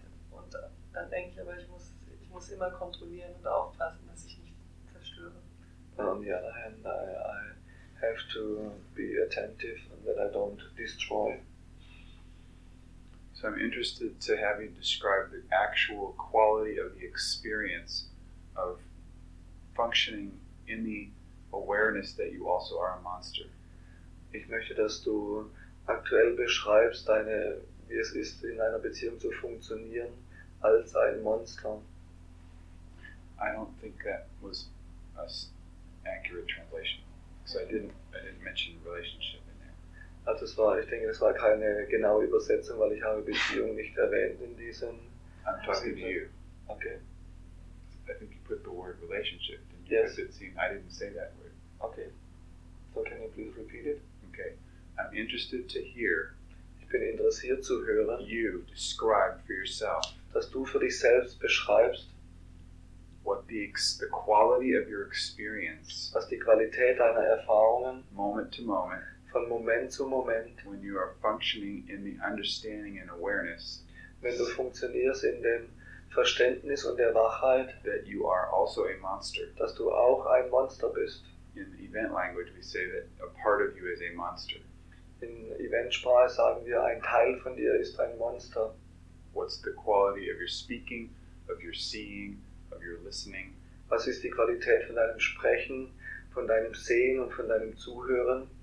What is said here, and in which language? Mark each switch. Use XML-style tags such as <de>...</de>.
<de>Und dann denke ich, aber ich muss immer kontrollieren und aufpassen, dass ich nicht zerstöre.</de> <en>But on the other hand, I have to be attentive and that I don't destroy. So I'm interested to have you describe the actual quality of the experience of functioning in the awareness that you also are a monster.</en> <de>Ich möchte, dass du aktuell beschreibst deine, wie es ist, in einer Beziehung zu funktionieren als ein Monster.</de> <en>I don't think that was an accurate translation, because I didn't mention relationship in there.</en> <de>Also es war, ich denke, es war keine genaue Übersetzung, weil ich habe Beziehung nicht erwähnt in diesem.</de> <en>I'm talking to you. Okay. I think you put the word relationship. Yes. It seemed, I didn't say that word. Okay. So can you please repeat it? Okay. I'm interested to hear.</en> <de>Ich bin interessiert zu hören.</de> <en>You describe for yourself.</en> <de>Dass du für dich selbst beschreibst.</de> <en>What the quality of your experience,</en> <de>was die Qualität deiner Erfahrungen,</de> <en>moment to moment,</en> <de>von Moment zu Moment,</de> <en>when you are functioning in the understanding and awareness,</en> <de>wenn du funktionierst in dem Verständnis und der Wahrheit,</de> <en>that you are also a monster,</en> <de>dass du auch ein Monster bist.</de> <en>In event language we say that a part of you is a monster.</en> <de>In Eventsprache sagen wir, ein Teil von dir ist ein Monster.</de> <en>What's the quality of your speaking, of your seeing, of your listening?</en> <de>Was ist die Qualität von deinem Sprechen, von deinem Sehen und von deinem Zuhören?</de>